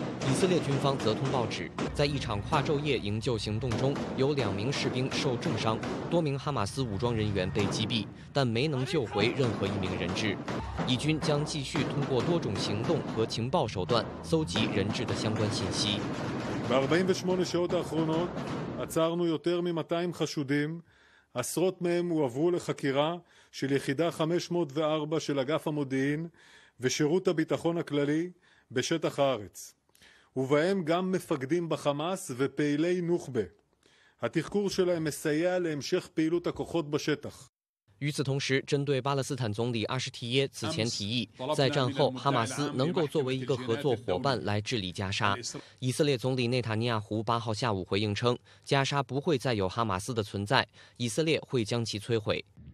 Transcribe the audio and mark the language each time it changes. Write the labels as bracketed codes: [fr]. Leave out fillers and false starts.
[zh] 以色列军方则通报指，在一场跨昼夜营救行动中，有2名士兵受重伤，多名哈马斯武装人员被击毙，但没能救回任何一名人质。以军将继续通过多种行动和情报手段搜集人质的相关信息。 [he] ב-48 שעות האחרונות עצרנו יותר מ-200 חשודים, עשרות מהם הועברו לחקירה של יחידה 504 של אגף המודיעין ושירות הביטחון הכללי בשטח הארץ, ובהם גם מפקדים בחמאס ופעילי נוח'בה. התחקור שלהם מסייע להמשך פעילות הכוחות בשטח. [zh] 与此同时，针对巴勒斯坦总理阿什提耶此前提议，在战后哈马斯能够作为一个合作伙伴来治理加沙，以色列总理内塔尼亚胡八号下午回应称，加沙不会再有哈马斯的存在，以色列会将其摧毁。